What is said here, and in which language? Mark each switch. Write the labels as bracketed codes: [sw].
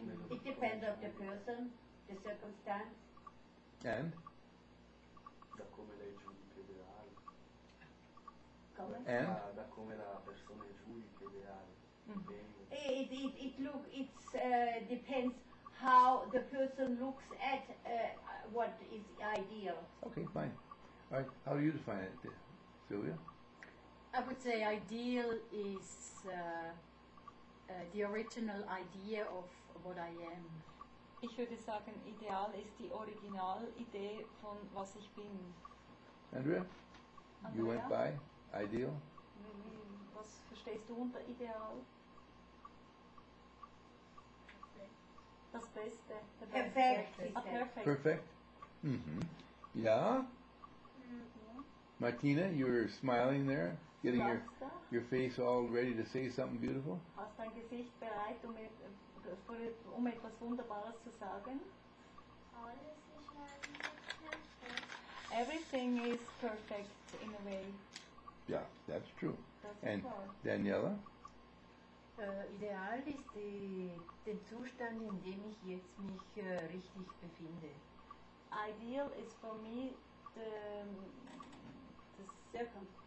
[en] It depends on the person, the circumstance. And? [it] Da come lei giudica l'ideale. Come? [en] And? [it] Da come la persona giudica l'ideale. [en] Depends how the person looks at what is ideal. Okay, fine. All right, how do you define it, Sylvia? I would say ideal is the original idea of what I am. [de] Ich würde sagen, ideal ist die Originalidee von was ich bin. [en] Andrea, you went by ideal. [de] Was verstehst du unter ideal? Das Beste. [en] Perfect. Mm-hmm. Yeah. Martina, you're smiling there. Getting your face all ready to say something beautiful? [de] Hast dein Gesicht bereit, um etwas Wunderbares zu sagen? Alles ist perfekt. [en] Everything is perfect in a way. Yeah, that's true. [de] Das [en] and [de] ist [en] Daniela? [de] Ideal ist der Zustand, in dem ich jetzt mich richtig befinde. [en] Ideal is for me the circumstance.